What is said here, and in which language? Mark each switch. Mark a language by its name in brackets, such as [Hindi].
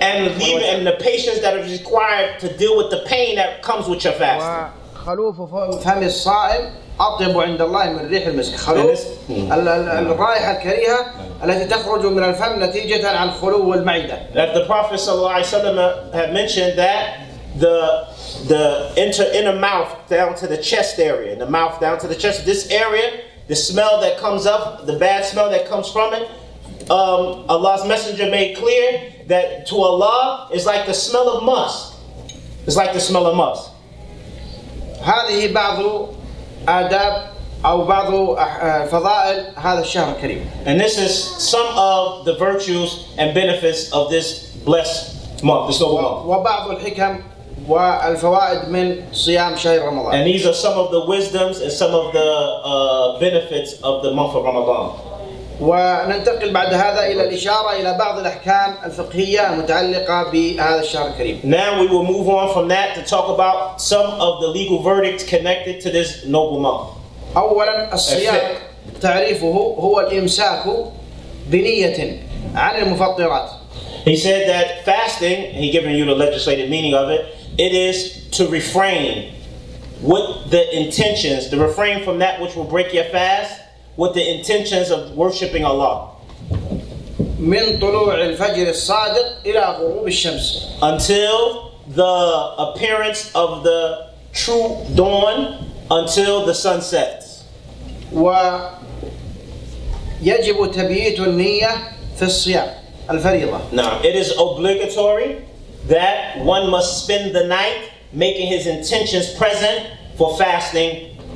[English] And the patience that is required to deal with the pain that comes with your fasting. [Arabic] وخلوف فم الصائم أطيب عند الله من ريح المسك. خلوف الرائحة الكريهة التي تخرج من الفم نتيجة عن خلو المعدة. [English] That the Prophet [Arabic] sallallahu alaihi wasallam [English] had mentioned that the inner mouth down to the chest area, the mouth down to the chest, this area, the smell that comes up, the bad smell that comes from it, Allah's Messenger made clear that to Allah is like the smell of musk. It's like the smell of musk. [Arabic] هذه بعض آداب أو بعض فضائل هذا الشهر الكريم. [English] And this is some of the virtues and benefits of this blessed month, this noble month. [Arabic] وبعض الحكم والفوائد من صيام شهر رمضان. [English] And these are some of the wisdoms and some of the benefits of the month of Ramadan. [Arabic] وننتقل بعد هذا إلى الإشارة إلى بعض الأحكام الفقهية المتعلقة بهذا الشهر الكريم. [English] Now we will move on from that to talk about some of the legal verdicts connected to this noble month. [Arabic] أولا الصيام تعريفه هو الإمساك بنية عن المفطرات. [English] He said that fasting, and he giving you the legislative meaning of it, it is to refrain with the intentions, to refrain from that which will break your fast, with the intentions of worshiping Allah. [Arabic] من طلوع الفجر الصادق إلى غروب الشمس. [English] Until the appearance of the true dawn, until the sun sets. [Arabic] ويجب تبييت النية في الصيام. [English] Now, it is obligatory that one must spend the night making his intentions present for fasting